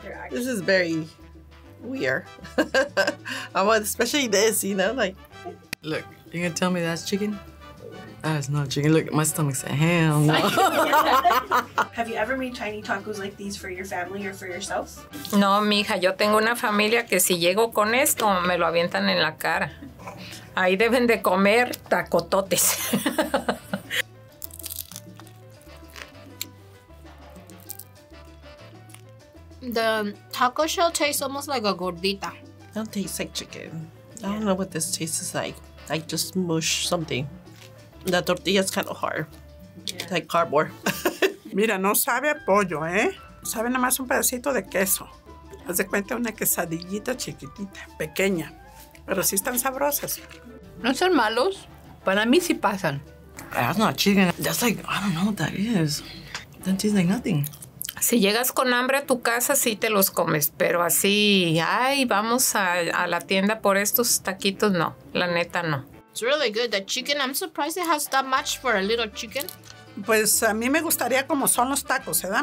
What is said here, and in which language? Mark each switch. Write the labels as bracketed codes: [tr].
[en] This is very weird. I want especially this, you know, like. Look, you gonna tell me that's chicken? That's not chicken. Look, my stomach said, hell no. Have you ever made tiny tacos like these for your family or for yourself? [es] No, mija, yo tengo una familia que si llego con esto, me lo avientan en la cara. Ahí deben de comer tacototes. [en] The taco shell tastes almost like a gordita. It don't taste like chicken. Yeah. I don't know what this tastes like. I just mush something. The tortilla is kind of hard. Yeah. Like cardboard. [es] Mira, no sabe a pollo, eh? Sabe nada más un pedacito de queso. Haz de cuenta una quesadillita chiquitita, pequeña. Pero sí están sabrosas. No son malos. Para mí sí pasan. [en] That's not chicken. That's like, I don't know what that is. That tastes like nothing. [es] Si llegas con hambre a tu casa, sí te los comes. Pero así, ay, vamos a la tienda por estos taquitos, no. La neta, no. [en] It's really good, the chicken. I'm surprised it has that much for a little chicken. [es] Pues a mí me gustaría como son los tacos, ¿verdad?